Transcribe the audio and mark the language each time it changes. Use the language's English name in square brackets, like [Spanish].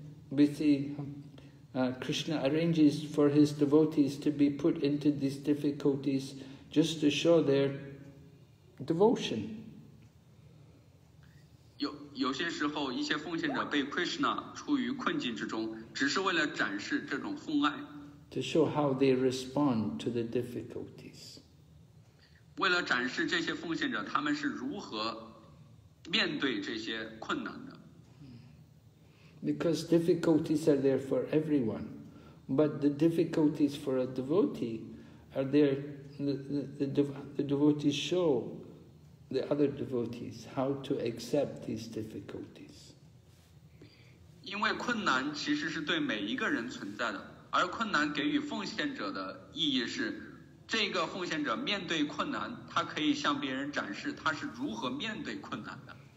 [English] We see Krishna arranges for his devotees to be put into these difficulties just to show their devotion. [Chinese] 有些时候，一些奉献者被 Krishna 处于困境之中，只是为了展示这种奉爱。 [English] To show how they respond to the difficulties. [Chinese] 为了展示这些奉献者他们是如何面对这些困难的。 [English] Because difficulties are there for everyone, but the difficulties for a devotee are there. The devotees show the other devotees how to accept these difficulties. [Chinese] 因为困难其实是对每一个人存在的，而困难给予奉献者的意义是，这个奉献者面对困难，他可以向别人展示他是如何面对困难的。